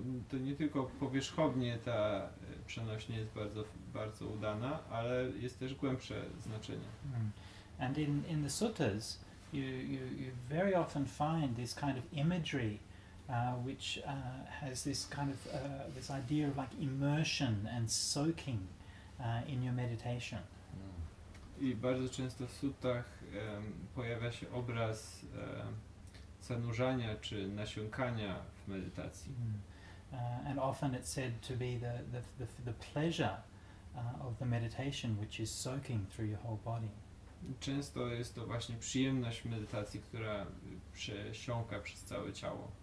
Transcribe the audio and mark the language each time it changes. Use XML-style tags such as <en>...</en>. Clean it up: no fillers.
<pl>To nie tylko powierzchownie ta przenośnia jest bardzo, bardzo udana, ale jest też głębsze znaczenie.</pl> <en>And in the suttas, you very often find this kind of imagery, which has this kind of this idea of like immersion and soaking in your meditation.</en> <pl>I bardzo często w suttach pojawia się obraz zanurzania czy nasiąkania w medytacji. Mm.</pl> <en>And often it's said to be the pleasure of the meditation, which is soaking through your whole body.</en> <pl>Często jest to właśnie przyjemność medytacji, która przesiąka przez całe ciało.</pl>